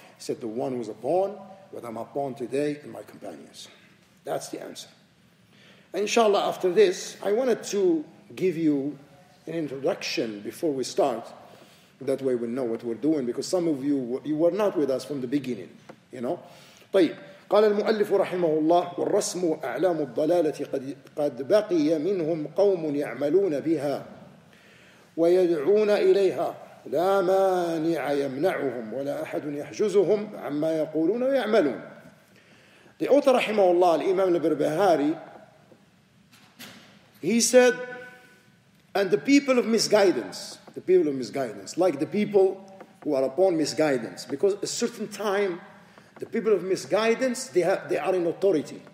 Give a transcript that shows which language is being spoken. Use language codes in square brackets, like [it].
[en] He said, the one who's upon what I'm upon today and my companions. That's the answer. And inshallah, after this, I wanted to give you an introduction before we start. That way we'll know what we're doing, because some of you were not with us from the beginning, you know. [ar] طيب قال المؤلف رحمه الله والرسم أعلام الضلالة قد بقي منهم قوم يعملون بها ويدعون إليها لا مانع يمنعهم ولا أحد يحجزهم عما يقولون ويعملون. [en] The author [ar] رحمه الله [en] الإمام البربهاري, he said, and the people of misguidance, the people of misguidance, like the people who are upon misguidance. Because a certain time, the people of misguidance, they are in authority.